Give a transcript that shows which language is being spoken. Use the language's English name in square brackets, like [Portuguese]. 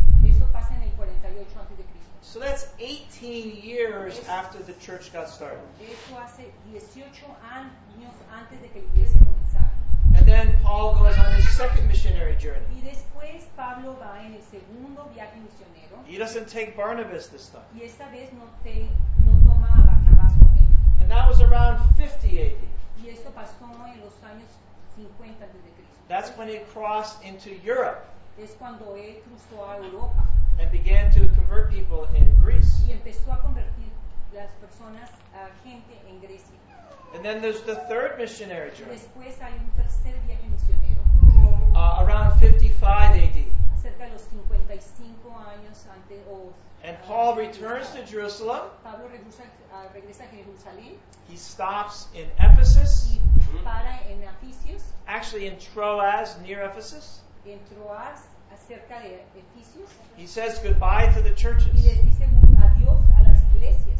[Spanish] Esto pasa en el 48 antes de Cristo. [English] So that's 18 years after the church got started. [Spanish] Esto hace 18 años antes de que la iglesia comenzara. [English] And then Paul goes on his second missionary journey. [Spanish] Y después Pablo va en el segundo viaje misionero. [English] He doesn't take Barnabas this time. [Spanish] Y esta vez no toma a Barnabas con él. [English] And that was around 50 AD. [Spanish] Y esto pasó en los años 50 antes de Cristo. [English] That's when he crossed into Europe. [Spanish] Es cuando él cruzó a Europa. [English] And began to convert people in Greece. [Spanish] Y empezó a convertir las personas a gente en Grecia. [English] And then there's the third missionary journey. [Spanish] Después hay un tercer viaje misionero. [English] Around 55 AD. [Spanish] Cerca de los 55 años antes. [English] And Paul returns to Jerusalem. [Spanish] Pablo regresa a Jerusalén. [English] He stops in Ephesus. [Spanish] Para en Efesios. [English] Actually in Troas, near Ephesus. [Spanish] En Troas, cerca de Efesios. [English] He says goodbye to the churches. [Spanish] Y les dice adiós a las iglesias.